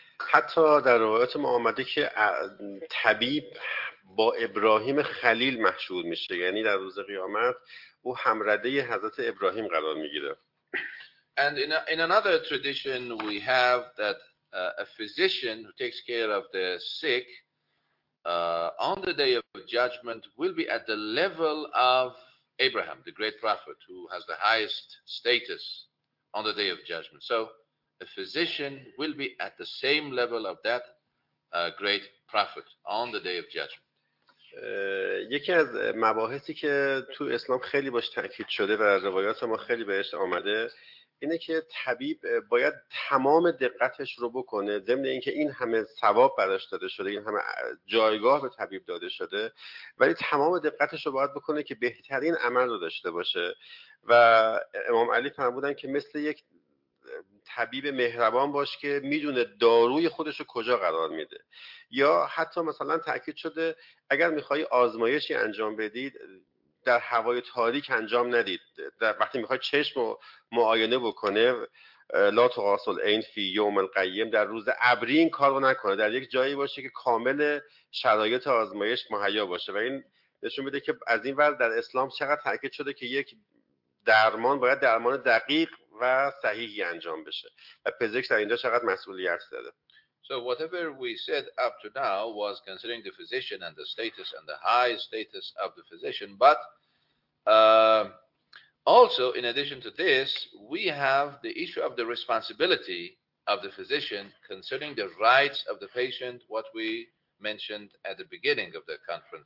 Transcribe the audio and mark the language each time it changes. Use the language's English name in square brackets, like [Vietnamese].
[Persian] حتی در روایت ما آمده که طبیب با ابراهیم خلیل محشور میشه، یعنی در روز قیامت او همرده حضرت ابراهیم قرار میگیره. [English] And in another tradition we have that a physician who takes care of the sick on the day of judgment will be at the level of Abraham, the great prophet, who has the highest status on the day of judgment. So a physician will be at the same level of that great prophet on the day of judgment. [Persian] یکی از مباحثی که تو اسلام خیلی باش تاکید شده و روایات ما خیلی بهش آمده اینه که طبیب باید تمام دقتش رو بکنه، ضمن اینکه این همه ثواب براش داده شده، این همه جایگاه به طبیب داده شده، ولی تمام دقتش رو باید بکنه که بهترین عمل رو داشته باشه. و امام علی فرمودن که مثل یک طبیب مهربان باش که میدونه داروی خودش رو کجا قرار میده. یا حتی مثلا تاکید شده اگر میخوای آزمایشی انجام بدید در هوای تاریک انجام ندید، در وقتی میخواد چشم رو معاینه بکنه [Arabic] لا تقاس العین فی یوم القیم، [Persian] در روز ابری این کار رو نکنه، در یک جایی باشه که کامل شرایط آزمایش مهیا باشه. و این نشون میده که از این ور در اسلام چقدر تاکید شده که یک درمان باید درمان دقیق و صحیحی انجام بشه و پزشک در اینجا چقدر مسئولیت داره. [English] So whatever we said up to now was considering the physician and the status and the high status of the physician. But also in addition to this, we have the issue of the responsibility of the physician concerning the rights of the patient, what we mentioned at the beginning of the conference.